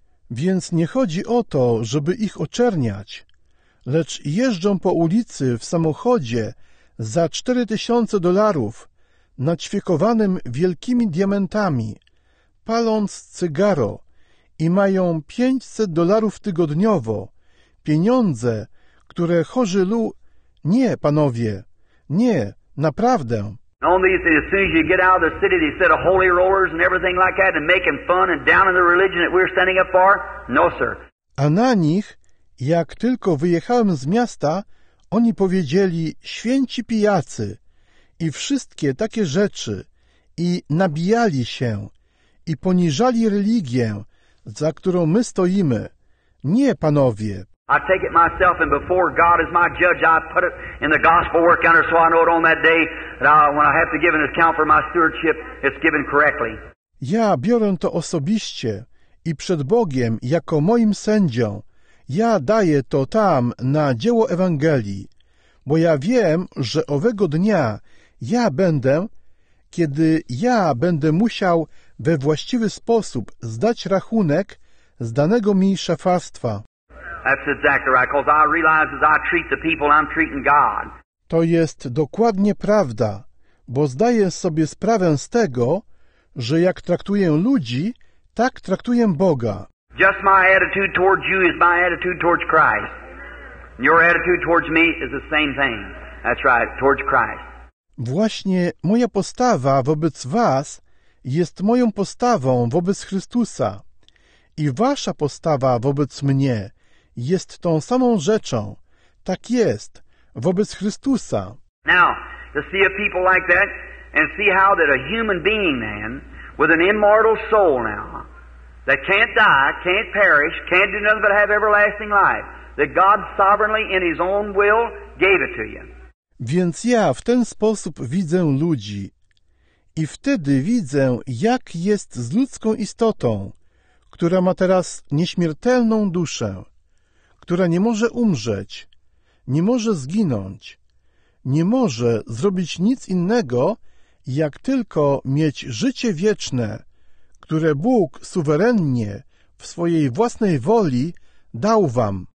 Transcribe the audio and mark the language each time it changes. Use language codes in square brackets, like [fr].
[pl] Więc nie chodzi o to, żeby ich oczerniać, lecz jeżdżą po ulicy w samochodzie za $4,000 naćwiekowanym wielkimi diamentami, paląc cygaro i mają $500 tygodniowo, pieniądze, które chorzy lu... Nie, panowie, nie, naprawdę. [en] On these things, as soon as you get out of the city, they set a holy rollers and everything like that and make them fun and down in the religion that we're standing up for? No, sir. [pl] A na nich, jak tylko wyjechałem z miasta, oni powiedzieli święci pijacy i wszystkie takie rzeczy i nabijali się i poniżali religię, za którą my stoimy. Nie, panowie. [en] I take it myself, and before God is my judge, I put it in the gospel work counter so I know it on that day that when I have to give an account for my stewardship, it's given correctly. [pl] Ja biorę to osobiście i przed Bogiem jako moim sędzią. Ja daję to tam na dzieło Ewangelii, bo ja wiem, że owego dnia ja będę, kiedy ja będę musiał we właściwy sposób zdać rachunek z danego mi szafarstwa. [en] That's exactly right, because I realize as I treat the people, I'm treating God. [pl] To jest dokładnie prawda, bo zdaję sobie sprawę z tego, że jak traktuję ludzi, tak traktuję Boga. [en] Just my attitude towards you is my attitude towards Christ. Your attitude towards me is the same thing. That's right, towards Christ. [pl] Właśnie moja postawa wobec was jest moją postawą wobec Chrystusa. I wasza postawa wobec mnie jest tą samą rzeczą. Tak jest, wobec Chrystusa. [en] Now, to see a people like that and see how that a human being then with an immortal soul now that can't die, can't perish, can't do nothing but have everlasting life, that God sovereignly in his own will gave it to you. [pl] Więc ja w ten sposób widzę ludzi i wtedy widzę, jak jest z ludzką istotą, która ma teraz nieśmiertelną duszę, która nie może umrzeć, nie może zginąć, nie może zrobić nic innego, jak tylko mieć życie wieczne, które Bóg suwerennie w swojej własnej woli dał wam.